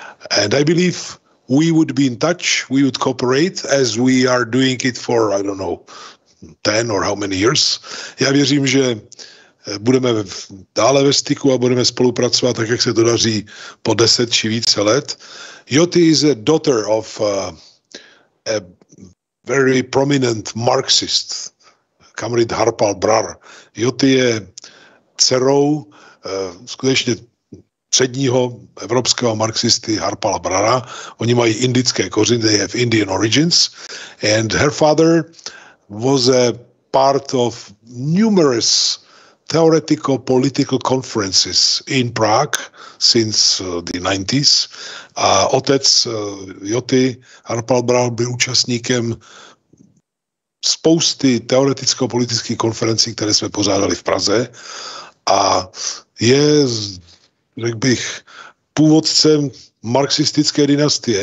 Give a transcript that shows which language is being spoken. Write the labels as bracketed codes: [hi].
[en] And I believe we would be in touch, we would cooperate as we are doing it for, I don't know, 10 or how many years. [cs] Já věřím, že budeme dále ve styku a budeme spolupracovat tak, jak se to daří po 10 či více let. [en] Joti is a daughter of a very prominent Marxist, kamarád Harpal Brar. [cs] Joti je dcerou skutečně předního evropského marxisty Harpala Brara. Oni mají indické kořeny, [en] they have Indian origins. And her father was a part of numerous theoretical political conferences in Prague since the 90s. [cs] A otec Joti, Harpal Brar, byl účastníkem spousty teoreticko-politických konferencí, které jsme pořádali v Praze. A je, řekl bych, původcem marxistické dynastie.